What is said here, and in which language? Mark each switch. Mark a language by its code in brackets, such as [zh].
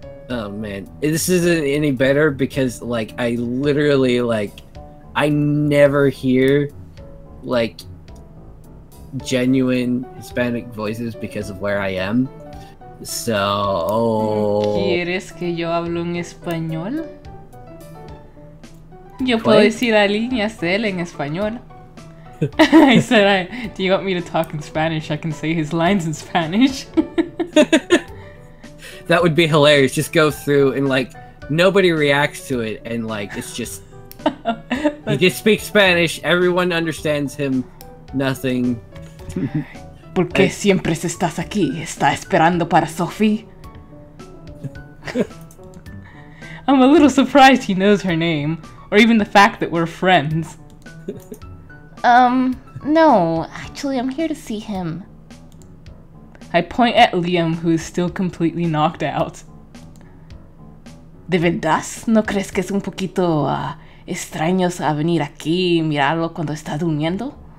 [en] Oh man, this isn't any better because, like, I literally, like, I never hear, like, genuine Hispanic voices because of where I am. So. [es] ¿Quieres que yo hable en español? Yo puedo decir la línea cel en español. [en] I said, do you want me to talk in Spanish? I can say his lines in Spanish. That would be hilarious. Just go through and, like, nobody reacts to it. And, like, it's just... He just speaks Spanish. Everyone understands him. Nothing. [es] ¿Por qué siempre estás aquí? ¿Está esperando para Sophie? [en] I'm a little surprised he knows her name. Or even the fact that we're friends. No. Actually, I'm here to see him. I point at Liam, who is still completely knocked out. [es] ¿De verdad no crees que es un poquito extraño a venir aquí y mirarlo cuando está durmiendo?